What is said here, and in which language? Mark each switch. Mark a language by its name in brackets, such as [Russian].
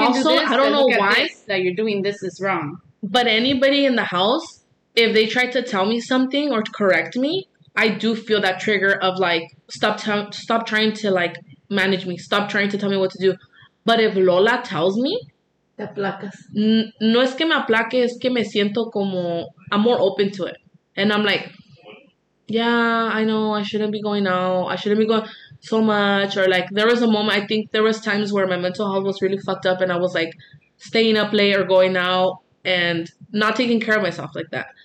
[English] don't know why. That you're doing this is wrong. But anybody in the house, if they try to tell me something or correct me, I do feel that trigger of, like, stop trying to, like, manage me. Stop trying to tell me what to do. But if Lola tells me... [Spanish] Te aplacas. No es que me aplaque, es que me siento como... [English] I'm more open to it. And I'm like, yeah, I know, I shouldn't be going out. I shouldn't be going... so much, or like there was a moment, I think there was times where my mental health was really fucked up and I was like staying up late or going out and not taking care of myself like that.